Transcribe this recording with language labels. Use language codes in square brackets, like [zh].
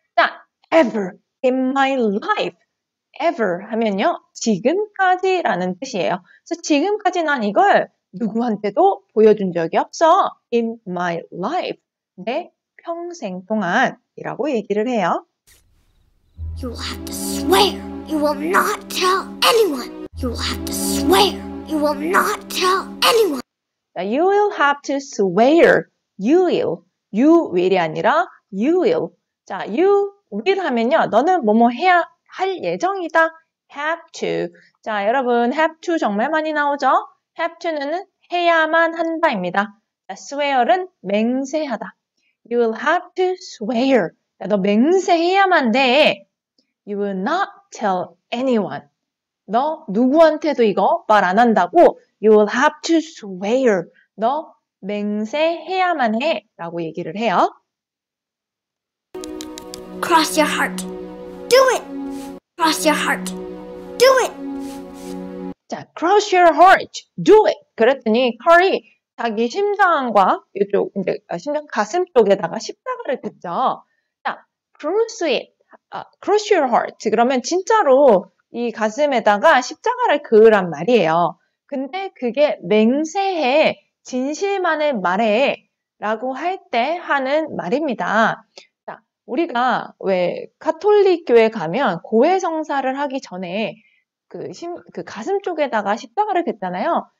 [en] 자, ever in my life. [ko] ever 하면요, 지금까지라는 뜻이에요. 그래서 지금까지 난 이걸 누구한테도 보여준 적이 없어. [en] In my life. [ko] 내 평생 동안이라고 얘기를 해요. [en] You will have to swear you will not tell anyone. You will have to swear you will not tell anyone. You will have to swear. [ko] You will이 아니라 you will. 자, you will 하면요. 너는 뭐뭐 해야 할 예정이다. [en] have to. [ko] 자, 여러분, have to 정말 많이 나오죠? have to는 해야만 한다입니다. swear은 맹세하다. [en] You will have to swear. [ko] 야, 너 맹세해야만 돼. [en] You will not tell anyone. [ko] 너 누구한테도 이거 말안 한다고. [en] You will have to swear. [ko] 너 맹세해야만 해. 라고 얘기를 해요. [en] Cross your heart. Do it. Cross your heart. Do it. 자, cross your heart, do it. [ko] 그랬더니 칼이 자기 심장과 이쪽 이제 심장 가슴 쪽에다가 십자가를 그죠? [en] 자, cross it, cross your heart. [ko] 그러면 진짜로 이 가슴에다가 십자가를 그으란 말이에요. 근데 그게 맹세해, 진실만을 말해라고 할때 하는 말입니다. 우리가 왜 가톨릭 교회 가면 고해 성사를 하기 전에 그 가슴 쪽에다가 십자가를 댔잖아요.